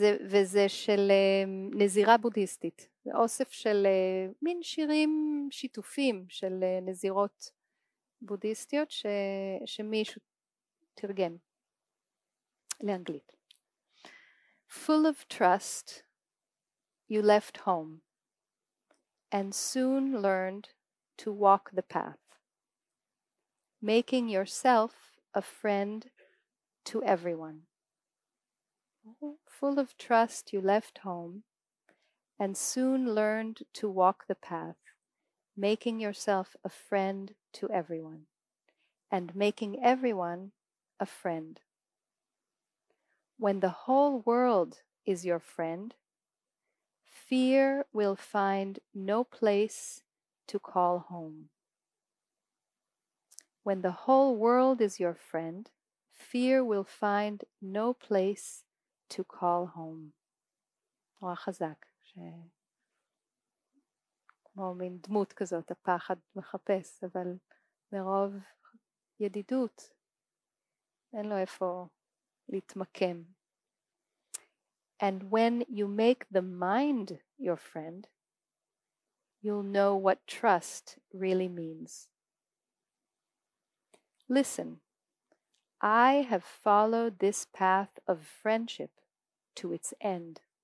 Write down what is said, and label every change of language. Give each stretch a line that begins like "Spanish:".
Hebrew: וזה של נזירה בודהיסטית. זה אוסף של מין שירים שיתופים של נזירות בודהיסטיות, שמישהו תרגם לאנגלית.
English: Full of trust, you left home and soon learned to walk the path, making yourself a friend to everyone. Full of trust, you left home and soon learned to walk the path, making yourself a friend to everyone and making everyone a friend. When the whole world is your friend, fear will find no place to call home. When the whole world is your friend, fear will find no place to call home.
Hebrew: נורא חזק, כמו מין דמות כזאת, הפחד מחפש, אבל מרוב ידידות, אין לו איפה להתמקם.
English: And when you make the mind your friend, you'll know what trust really means. Listen, I have followed this path of friendship to its end.